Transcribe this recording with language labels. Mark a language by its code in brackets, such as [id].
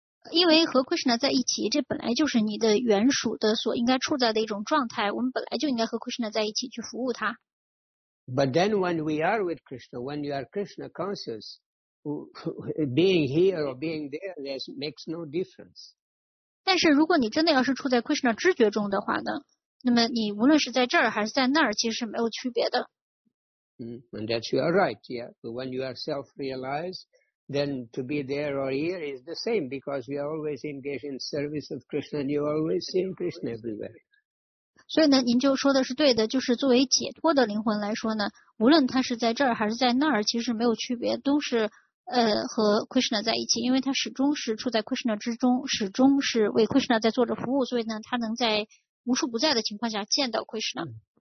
[zh] 因为和 Krishna 在一起，这本来就是你的原属的所应该处在的一种状态。我们本来就应该和 Krishna 在一起去服务他。 [en] But then when we are with Krishna, when you are Krishna conscious, being here or being there makes no difference. [zh] 但是如果你真的要是处在 Krishna 知觉中的话呢，那么你无论是在这儿还是在那儿，其实是没有区别的。 [en] And that you are right, yeah. But when you are self-realized,then to be there or here is the same because we are always engaged in service of Krishna and you always see Krishna everywhere. [zh] 所以呢您就说的是对的，就是作为解脱的灵魂来说呢，无论他是在这儿还是在那儿，其实没有区别，都是和 Krishna 在一起，因为他始终是处在 Krishna 之中，始终是为 Krishna 在做着服务，所以呢他能在无处不在的情况下见到 Krishna.